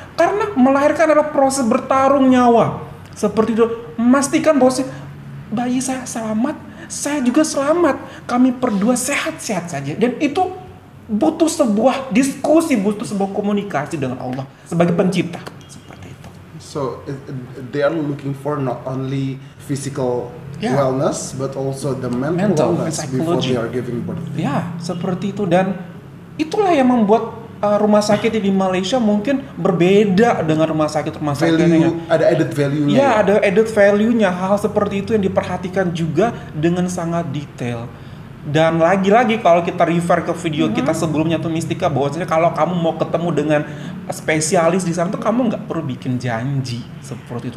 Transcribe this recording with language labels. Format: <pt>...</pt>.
<id>Karena melahirkan adalah proses bertarung nyawa, seperti itu. Memastikan bahwa bayi saya selamat, saya juga selamat, kami berdua sehat-sehat saja. Dan itu butuh sebuah diskusi, butuh sebuah komunikasi dengan Allah sebagai Pencipta.</id> <en>So they are looking for not only physical wellness but also the mental wellness before they are giving birth.</en> <id>Ya, seperti itu, dan itulah yang membuat rumah sakit di Malaysia mungkin berbeda dengan rumah sakit-rumah sakit yang ada added value-nya. Ya, ada added value-nya, hal seperti itu yang diperhatikan juga dengan sangat detail. Dan lagi-lagi kalau kita refer ke video kita sebelumnya tuh, Mistika, bahwasanya kalau kamu mau ketemu dengan spesialis di sana tuh, kamu nggak perlu bikin janji seperti itu.</id>